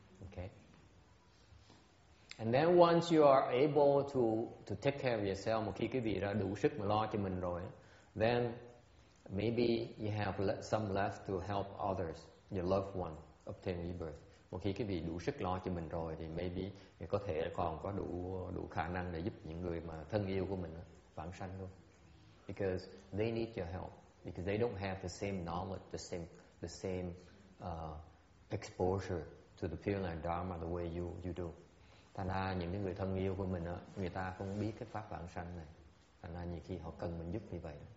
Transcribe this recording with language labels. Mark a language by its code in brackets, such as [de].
[en] Okay. And then once you are able to take care of yourself, [vi] một khi quý vị đã đủ sức mà lo cho mình rồi, [en] then maybe you have some left to help others, your loved one obtain rebirth. [vi] Một khi quý vị đủ sức lo cho mình rồi thì maybe thì có thể còn có đủ khả năng để giúp những người mà thân yêu của mình vãng sanh luôn. [en] Because they need your help. Because they don't have the same knowledge, the same exposure to the Pure Land Dharma the way you do. [vi] Thành ra những người thân yêu của mình, người ta không biết cái pháp vãng sanh này. Thành ra nhiều khi họ cần mình giúp như vậy.